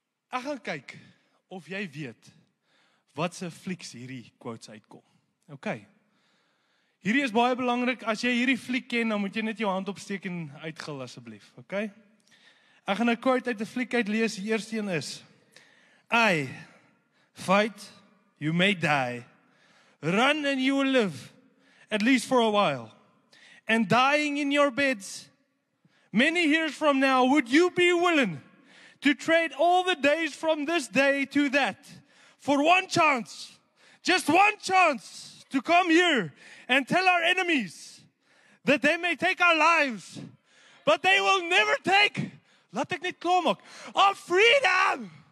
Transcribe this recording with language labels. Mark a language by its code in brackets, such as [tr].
[af] Ek gaan kyk of jy weet wat se flieks hierdie quotes uitkom. OK. Hierdie is baie belangrik. As jy hierdie fliek ken, dan moet jy net jou hand opsteek en uitgil asseblief. OK. Ek gaan 'n quote uit 'n fliek uitlees. Die eerste een is: [en] I fight, you may die. Run and you will live, at least for a while. And dying in your beds, many years from now, would you be willing to trade all the days from this day to that for one chance, just one chance to come here and tell our enemies that they may take our lives, but they will never take, [af] laat ek net klaar maak, [en] our freedom.